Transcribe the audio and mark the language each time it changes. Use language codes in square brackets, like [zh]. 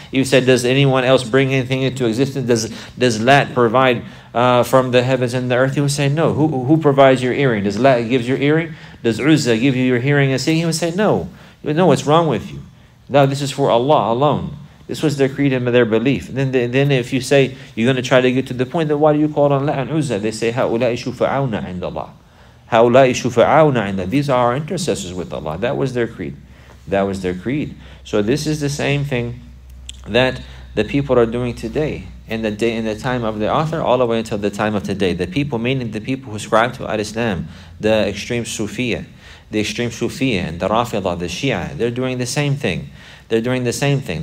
[en] You said, does anyone else bring anything into existence? Does Lat provide from the heavens and the earth? He would say, no. Who provides your earring? Does Lat give your earring? Does Uzza give you your hearing and seeing? He would say, no. You would, no, what's wrong with you? No, this is for Allah alone. This was their creed and their belief. And then if you say, you're going to try to get to the point, then why do you call on Lat and Uzza? They say, [ar] هَؤُلَاءِ شُفَعَوْنَا عِنْدَ اللَّهِ هَؤُلَاءِ شُفَعَوْنَا عِنْدَ اللَّهِ. [en] These are our intercessors with Allah. That was their creed. That was their creed. So this is the same thing that the people are doing today. In the day, in the time of the author, all the way until the time of today, the people, meaning the people who ascribe to al-Islam, the extreme Sufiya and the Rafida, the Shia, they're doing the same thing. They're doing the same thing.